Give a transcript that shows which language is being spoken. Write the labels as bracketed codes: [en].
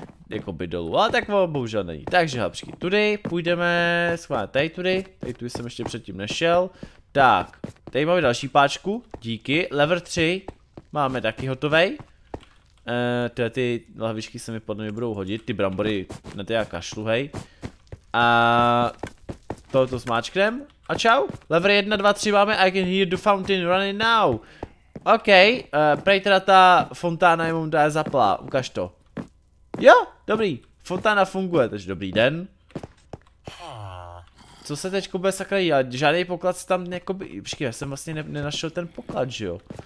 [cs] Jakoby dolů, ale tak bohužel není. Takže hlapčky, tudy půjdeme schválně tady tudy. Tady tu jsem ještě předtím nešel. Tak, tady máme další páčku, díky. Lever 3 máme taky hotovej. Tyhle ty lahvičky se mi podle mě budou hodit, ty brambory na ty já kašlu, hej. A tohoto smáčknem a čau. [en] Lever 1, 2, 3 [cs] máme, [en] I can hear the fountain running now. [cs] OK, prej teda ta fontána je momentálně zaplá, ukaž to. Jo, dobrý, fontána funguje, takže dobrý den. Co se teďko bude sakra dělat? Žádný poklad se tam jakoby, počkej, já jsem vlastně nenašel ten poklad, že jo?